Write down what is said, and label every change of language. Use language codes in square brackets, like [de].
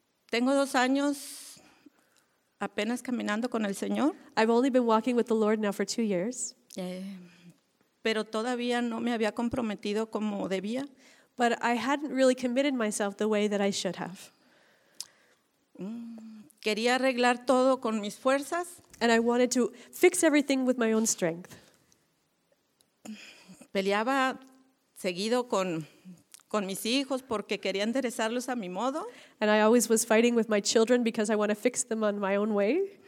[es] Tengo dos años apenas caminando con el Señor. [en] I've only been walking with the Lord now for 2 years. [es] Pero todavía no me había comprometido como debía. [en] But I hadn't really committed myself the way that I should have. [es] Quería arreglar todo con mis fuerzas. [en] And I wanted to fix everything with my own strength. [es] Peleaba seguido con mis hijos porque quería enderezarlos a mi modo. [en] And I always was fighting with my children because I want to fix them on my own way.